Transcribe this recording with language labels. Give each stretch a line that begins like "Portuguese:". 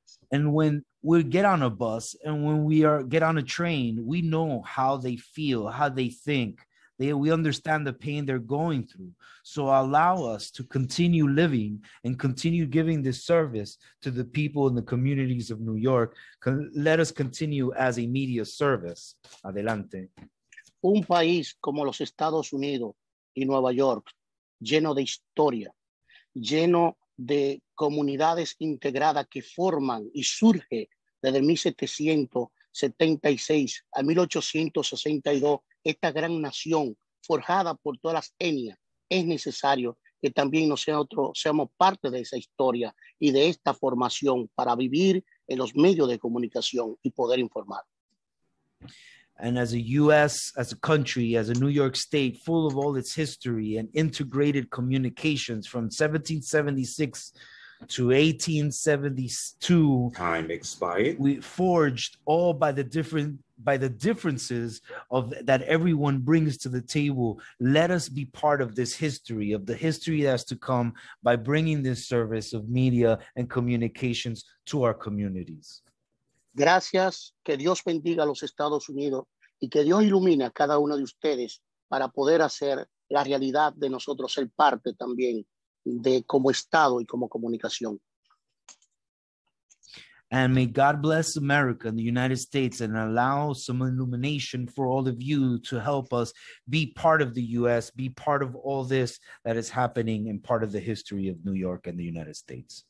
English: And when we get on a bus and when we are get on a train, we know how they feel, how they think. We understand the pain they're going through. So allow us to continue living and continue giving this service to the people in the communities of New York. Let us continue as a media service.
Spanish: Adelante. Un país como los Estados Unidos y Nueva York, lleno de historia, lleno de comunidades integradas que forman y surge desde 1776 a 1862, esta gran nación forjada por todas las etnias, es necesario que también nosotros seamos parte de esa historia y de esta formación para vivir en los medios de comunicación y poder informar.
English: And as a U.S., as a country, as a New York State, full of all its history and integrated communications from 1776 to 1872. Time expired. We forged all by the different, by the differences of that everyone brings to the table. Let us be part of this history, of the history that has to come by bringing this service of media and communications to our communities.
Spanish: Gracias. Que Dios bendiga a los Estados Unidos. Y que Dios ilumine a cada uno de ustedes para poder hacer la realidad de nosotros ser parte también de como Estado y como comunicación.
English: And may God bless America and the United States and allow some illumination for all of you to help us be part of the U.S., be part of all this that is happening and part of the history of New York and the United States.